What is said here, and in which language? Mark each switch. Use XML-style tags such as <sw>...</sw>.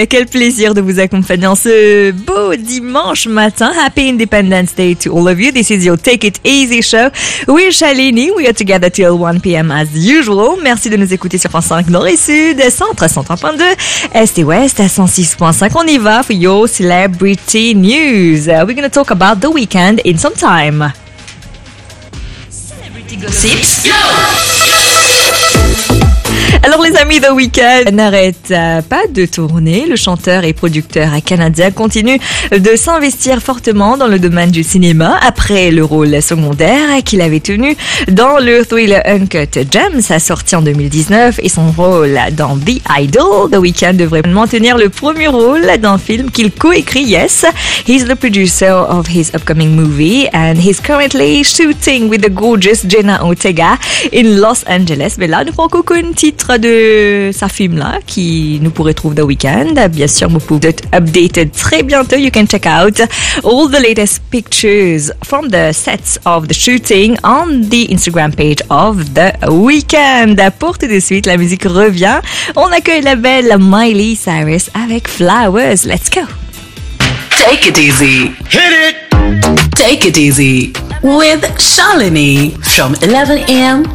<fr>Quel plaisir de vous accompagner en ce beau dimanche matin.</fr> <en>Happy Independence Day to all of you. This is your Take It Easy show. We are Shalini. We are together till 1 p.m. as usual.</en> <fr>Merci de nous écouter sur 105 Nord et Sud, Centre 103.2, Est et Ouest à 106.5. On y va</fr> <en>for your celebrity news. We're going to talk about the weekend in some time. Celebrity gossips.</en> <fr>Alors les amis, The Weeknd n'arrête pas de tourner. Le chanteur et producteur canadien continue de s'investir fortement dans le domaine du cinéma après le rôle secondaire qu'il avait tenu dans le thriller Uncut Gems, sorti en 2019, et son rôle dans The Idol. The Weeknd devrait maintenir le premier rôle d'un film qu'il coécrit.</fr> <en>Yes, he's the producer of his upcoming movie and he's currently shooting with the gorgeous Jenna Ortega in Los Angeles.</en> <fr>Mais là, nous prenons coucou une petite de sa film là qui nous pourrait trouver The Weeknd. Bien sûr, vous pouvez être updated très bientôt.</fr> <en>You can check out all the latest pictures from the sets of the shooting on the Instagram page of The Weeknd.</en> <fr>Pour tout de suite, la musique revient. On accueille la belle Miley Cyrus avec Flowers.</fr> <en>Let's go. Take it easy. Hit it. Take it easy with Shalini from 11 a.m.</en>